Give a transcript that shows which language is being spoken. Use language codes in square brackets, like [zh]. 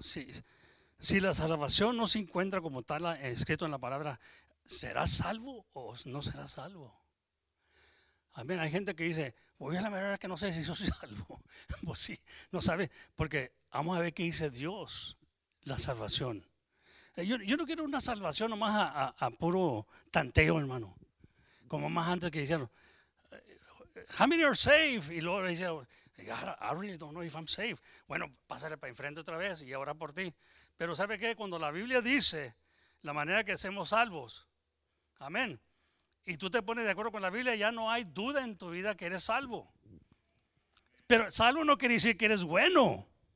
[es] Si la salvación no se encuentra como tal escrito en la palabra, ¿será salvo o no será salvo? Amén. Hay gente que dice, voy a la manera que no sé si soy salvo. Pues sí, no sabe. Porque vamos a ver qué dice Dios, la salvación. Yo no quiero una salvación nomás a puro tanteo, hermano. Como más antes que dijeron, [en] how many are safe? [es] Y luego le dice, [en] I really don't know if I'm safe. [es] Bueno, pásale para enfrente otra vez y ahora por ti. Pero ¿sabe qué? Cuando la Biblia dice la manera que hacemos salvos, amén, y tú te pones de acuerdo con la Biblia, ya no hay duda en tu vida que eres salvo. Pero salvo no quiere decir que eres bueno.